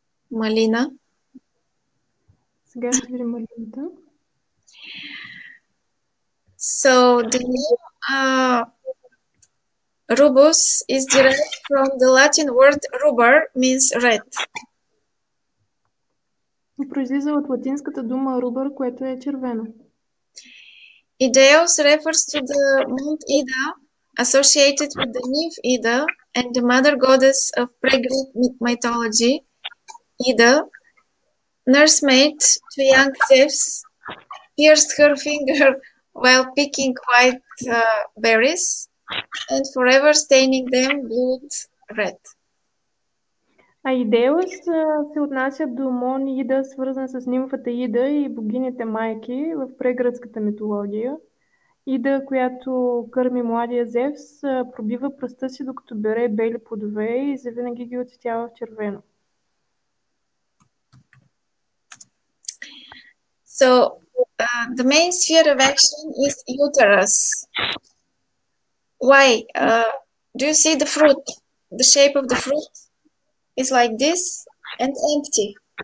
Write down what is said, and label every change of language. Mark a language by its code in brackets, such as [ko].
[bg] Малина. Сега ще видим малината. [en] So the name Rubus is derived from the Latin word rubor, means red. [bg] Произлиза от латинската дума rubor, което е червено. [en] Idaeus refers to the Mount Ida, associated with the nymph Ida and the mother goddess of pre-Greek mythology, Ida, nursemaid to young Zeus, pierced her finger while picking white berries. And forever staining them blood red. [bg] А Идеус се отнася до Мон Ида, свързан с нимфата Ида и богинята майки в прегръцката митология. Ида, която кърми младия Зевс, пробива пръста си, докато бере бели плодове и завинаги ги оцветява в червено. [en] So, the main sphere of action is uterus. Why? Do you see the fruit? The shape of the fruit is like this and empty.